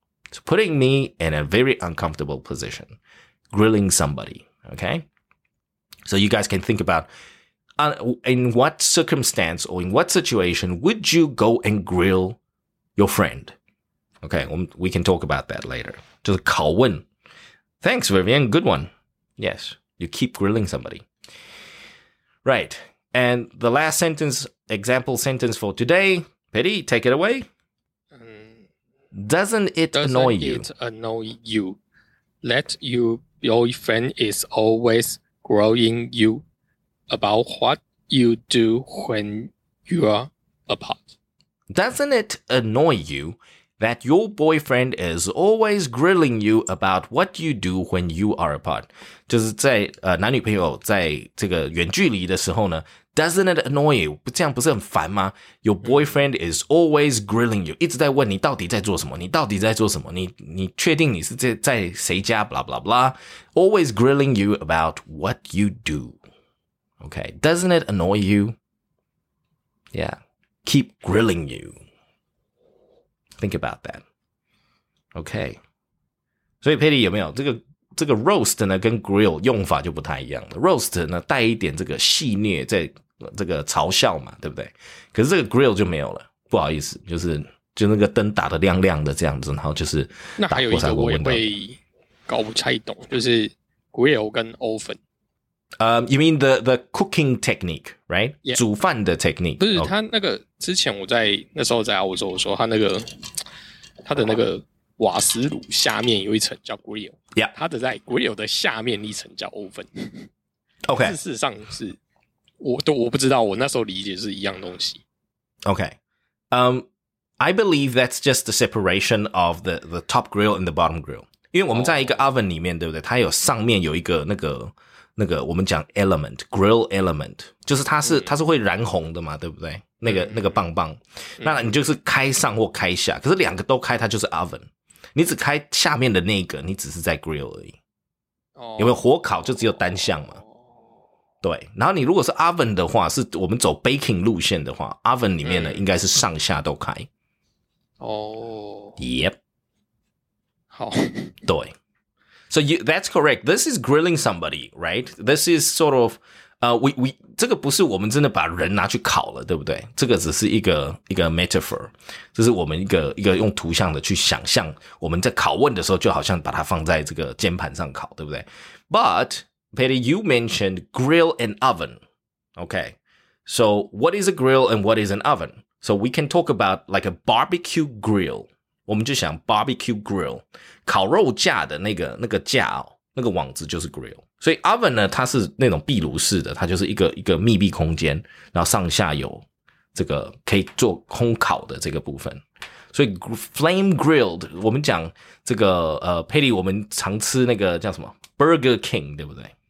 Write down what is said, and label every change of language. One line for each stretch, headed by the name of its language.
English: So putting me in a very uncomfortable position. Grilling somebody. Okay. So you guys can think aboutin what circumstance or in what situation would you go and grill your friend? Okay, we can talk about that later.
Chinese: 就是拷问。
English: Thanks, Vivian. Good one. Yes, you keep grilling somebody. Right, and the last sentence, example sentence for today. Petty, take it away. Doesn't it annoy you that your boyfriend is always grilling you? About what you do when you're apart. Doesn't it annoy you that your boyfriend is always grilling you about what you do when you are apart?
Chinese: 就是在男女朋友在这个远距离的时候呢 ,
English: doesn't it annoy you?
Chinese: 这样不是很烦吗 ?
English: Your boyfriend is always grilling you,
Chinese: 一直在问你到底在做什么，你到底在做什么，你确定你是在谁家 blah blah blah,
English: always grilling you about what you do. Okay, doesn't it annoy you? Yeah, keep grilling you. Think about that. Okay.
Chinese: 所以 Petty 有没有这个 roast 呢跟 grill 用法就不太一样了。 Roast 呢带一点这个戏谑在这个嘲笑嘛，对不对？可是这个 grill 就没有了，不好意思，就那个灯打得亮亮的这样子，然后就是打过才会问到。那还有一个我也会搞不太懂，就是 grill 跟 oven。
English: You mean the cooking technique, right?、 Yeah.
Chinese: 煮饭的 technique. 不是、oh. 他那个之前我在那时候在澳洲的时候，他的那个瓦斯炉下面有一层叫 grill.
English: Yeah.
Chinese: 他的在 grill 的下面一层叫 oven.
English: OK.
Chinese: 事实上是我不知道，我那时候理解是一样东西。
English: OK. I believe that's just the separation of the top grill and the bottom grill.
Chinese: 因为我们在一个 oven 里面、oh. 对不对，它有上面有一个那个我们讲 element, grill element, 就是它是会燃红的嘛，对不对？那个棒棒。那你就是开上或开下，可是两个都开它就是 oven。你只开下面的那个，你只是在 grill 而已。有没有火烤就只有单向嘛。对。然后你如果是 oven 的话，是我们走 baking 路线的话， oven 里面呢应该是上下都开。
English: Oh. Yep.
Chinese: 好。
English: 对。So that's correct. This is grilling somebody, right? This is sort of, we
Chinese: 这个不是我们真的把人拿去烤了，对不对？这个只是一个 metaphor. 这是我们一个用图像的去想象，我们在拷问的时候就好像把它放在这个煎盘上烤，对不对？
English: But, Petty, you mentioned grill and oven. Okay. So what is a grill and what is an oven? So we can talk about like a barbecue grill.
Chinese: 我们就想 barbecue grill, 烤肉架的那个架、哦、那个网子就是 grill。所以 oven 呢它是那种壁炉式的，它就是一个密闭空间，然后上下有这个可以做烘烤的这个部分。所以 flame grilled, 我们讲这个Petty 我们常吃那个叫什么 Burger King, 对不对？